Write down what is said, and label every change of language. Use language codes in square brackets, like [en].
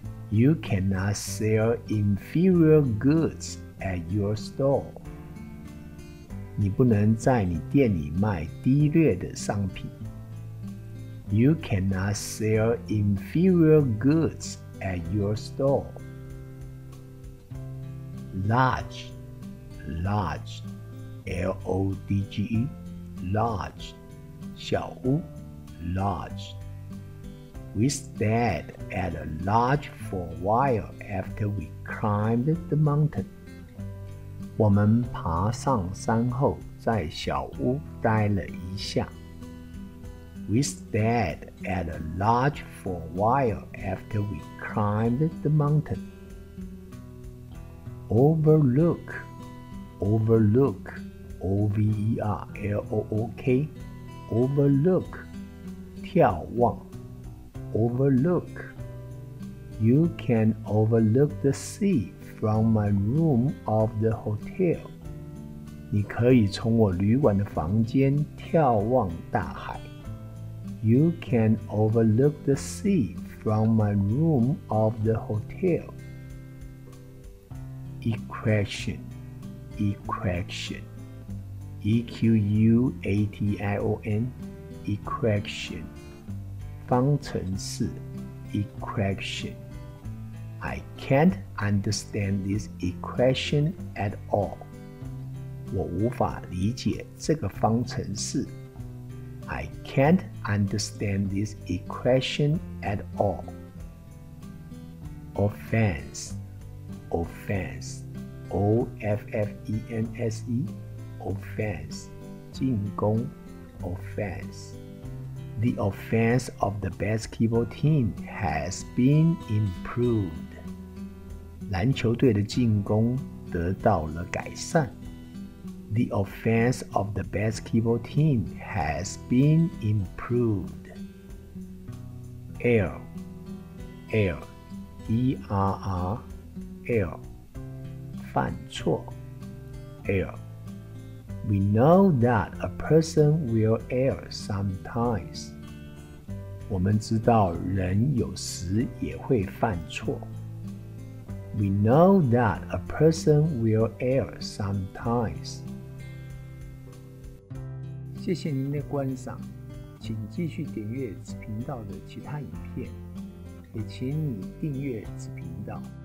[en] You cannot sell inferior goods at your store. [zh] 你不能在你店里卖低劣的商品。 [en] You cannot sell inferior goods at your store.Large, lodge, L-O-D-G-E, lodge, 小屋 lodge. We stayed at a lodge for a while after we climbed the mountain. [zh] 我们爬上山后在小屋待了一下。 [en] We stayed at a lodge for a while after we climbed the mountain. Overlook, overlook, O-V-E-R-L-O-O-K, overlook, [zh] 眺望 [en] overlook. You can overlook the sea from my room of the hotel. [zh] 你可以从我旅馆的房间眺望大海。 [en] You can overlook the sea from my room of the hotel. Equation, equation, E-Q-U-A-T-I-O-N, equation, [zh] 方程式 [en] equation. I can't understand this equation at all. [zh] 我无法理解这个方程式。 [en] I can't understand this equation at all. Offense, offense, O-F-F-E-N-S-E, offense, [zh] 进攻 [en] offense. The offense of the basketball team has been improved. [zh] 篮球队的进攻得到了改善。 [en] The offense of the basketball team has been improved. Error, E-R-R, error, [zh] 犯错 [en] error. We know that a person will err sometimes. [zh] 我们知道人有时也会犯错。 [en] We know that a person will err sometimes. [zh] 谢谢您的观赏，请继续点阅此频道的其他影片，也请你订阅此频道。